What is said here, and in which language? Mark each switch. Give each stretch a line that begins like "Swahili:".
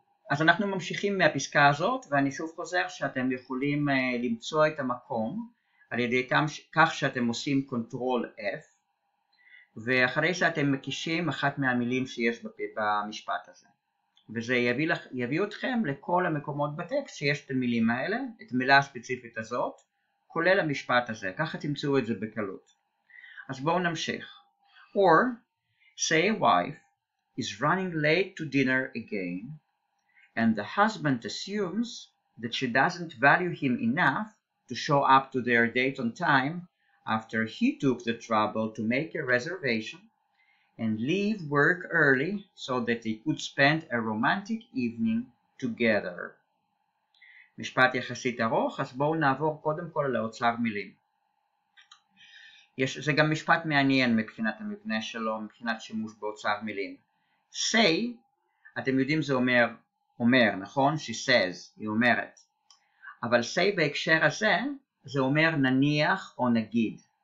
Hebrew: אז אנחנו ממשיכים מהפסקה הזאת, ואני שוב חוזר שאתם יכולים למצוא את המקום על ידי כך שאתם עושים קונטרול F, ואחרי שאתם מקישים אחת מהמילים שיש במשפט הזה, וזה יביא אתכם לכל המקומות בטקסט שיש את המילים האלה, את המילה הספציפית הזאת, כולל המשפט הזה, ככה תמצאו את זה בקלות. אז בואו נמשיך.
English: Or, say a wife is running late to dinner again, and the husband assumes that she doesn't value him enough to show up to their date on time after he took the trouble to make a reservation and leave work early so that they could spend a romantic evening together.
Hebrew: משפט יחסית ארוך, אז בואו נעבור קודם כל לאוצר מילים. זה גם משפט מעניין מבחינת המבנה שלו, מבחינת שימוש באוצר מילים. Say, אתם יודעים זה אומר, אומר, נכון? She says, היא אומרת. אבל say בהקשר הזה, זה אומר נניח או נגיד.